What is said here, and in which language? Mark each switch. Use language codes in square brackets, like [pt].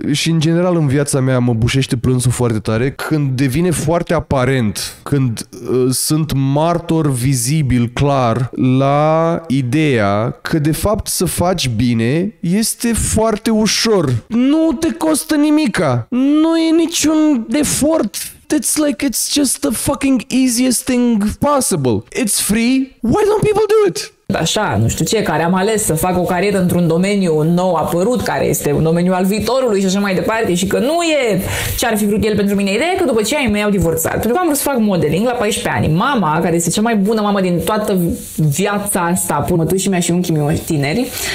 [ro] Și, în general, în viața mea mă bușește plânsul foarte tare când devine foarte aparent, când sunt martor vizibil, clar, la ideea că, de fapt, să faci bine este foarte ușor. Nu te costă nimica. Nu e niciun efort. [en] It's like it's just the fucking easiest thing possible. It's free. Why don't people do it? [ro] Așa, nu știu ce, care am ales să fac o carieră într-un domeniu nou apărut, care este un domeniu al viitorului și așa mai departe, și că nu e ce ar fi vrut el pentru mine. Ideea e că după ce ai mei au divorțat, pentru că am vrut să fac modeling la 14 ani, mama, care este cea mai bună mamă din toată viața asta, până mătușii mea și unchii mei tineri.